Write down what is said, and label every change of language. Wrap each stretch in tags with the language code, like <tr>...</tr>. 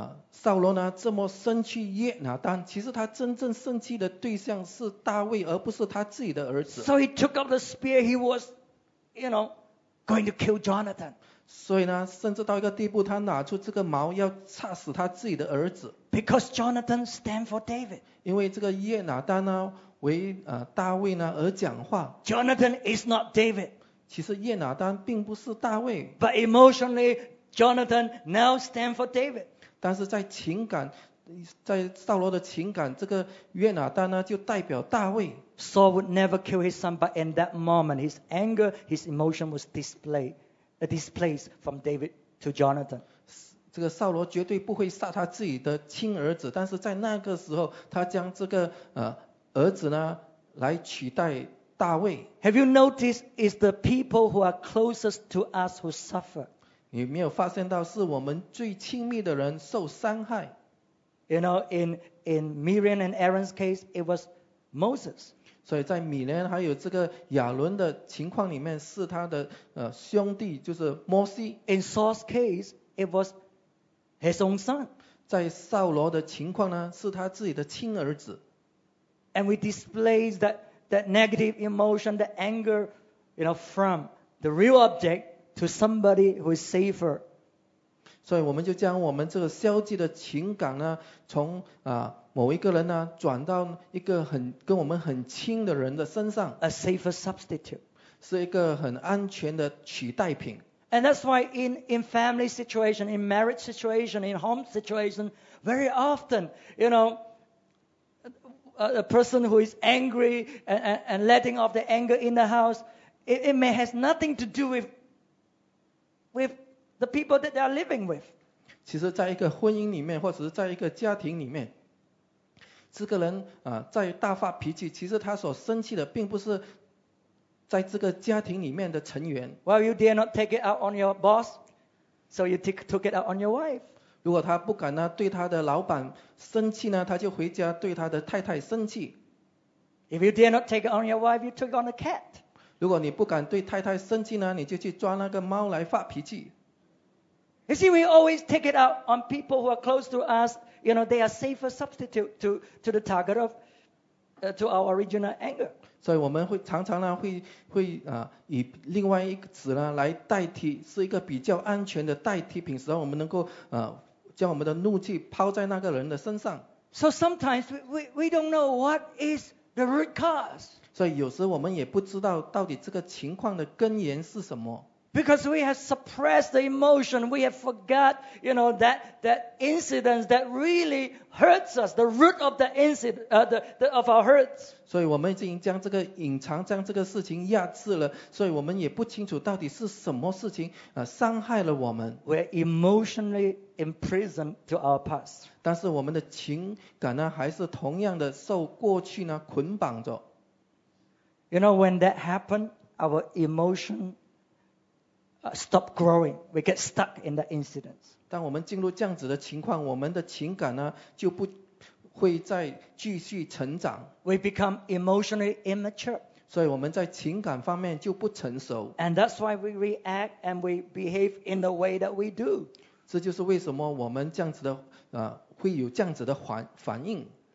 <zh>扫罗呢这么生气约拿单，其实他真正生气的对象是大卫，而不是他自己的儿子。</zh> <en>So he took up the spear. He was, you know, going to kill Jonathan.</en> <zh>所以呢，甚至到一个地步，他拿出这个矛要插死他自己的儿子。</zh> <en>Because Jonathan stand for David.</en> <zh>因为这个约拿单呢为大卫呢而讲话。</zh> <en>Jonathan is not David.</en> <zh>其实约拿单并不是大卫。</zh> <en>But emotionally, Jonathan now stand for David.</en> <zh>但是在情感，在扫罗的情感，这个约拿单呢就代表大卫。</zh> <en>Saul would never kill his son, but in that moment, his anger, his emotion was displaced from David to Jonathan.</en> <zh>这个扫罗绝对不会杀他自己的亲儿子，但是在那个时候，他将这个儿子呢来取代大卫。</zh> <en>Have you noticed? It's the people who are closest to us who suffer.</en> <zh>你没有发现到是我们最亲密的人受伤害。</zh> <en>You know, in Miriam and Aaron's case, it was Moses.</en> <zh>所以在米连还有这个亚伦的情况里面是他的兄弟就是摩西。</zh> <en>In Saul's case, it was his own son.</en> <zh>在扫罗的情况呢是他自己的亲儿子。</zh> <en>And we display that negative emotion, the anger, you know, from the real object,to somebody who is safer.</en> <zh>所以我们就将我们这个消极的情感呢从某一个人呢转到一个很跟我们很亲的人的身上。</zh> <en>A safer substitute.</en> <zh>是一个很安全的取代品。</zh> <en>And that's why in family situation, in marriage situation, in home situation, very often, you know, a person who is angry and letting off the anger in the house, it may has nothing to do with the people that they are living with.</en> <zh>其实在一个婚姻里面或者是在一个家庭里面这个人在大发脾气其实他所生气的并不是在这个家庭里面的成员。</zh> <en>Well, you dare not take it out on your boss, so you took it out on your wife.</en> <zh>如果他不敢呢对他的老板生气呢他就回家对他的太太生气。</zh> <en>If you dare not take it on your wife, you took on a cat.</en> <zh>如果你不敢对太太生气呢，你就去抓那个猫来发脾气。</zh> <en>You see, we always take it out on people who are close to us. You know, they are safer substitute to the target of to our original anger.</en> <zh>所以我们会常常呢，会以另外一个词呢来代替，是一个比较安全的代替品，使我们能够将我们的怒气抛在那个人的身上。</zh> <en>So sometimes we don't know what is the root cause.</en> <zh>所以有时我们也不知道到底这个情况的根源是什么。</zh> <en>Because we have suppressed the emotion, we have forgot, you know, that incident that really hurts us, the root of the incident, the of our hurts.</en> <zh>所以我们已经将这个隐藏，将这个事情压制了，所以我们也不清楚到底是什么事情伤害了我们。</zh> <en>We're emotionally imprisoned to our past.</en> <zh>但是我们的情感呢，还是同样的受过去呢捆绑着。</zh> <en>You know, when that happened, our emotion stop growing. We get stuck in that incident.</en> <zh>当我们进入这样子的情况，我们的情感呢就不会再继续成长。</zh> <en>We become emotionally immature.</en> <zh>所以我们在情感方面就不成熟。</zh> <en>And that's why we react and we behave in the way that we do.</en> <zh>这就是为什么我们这样子的会有这样子的反应。</zh>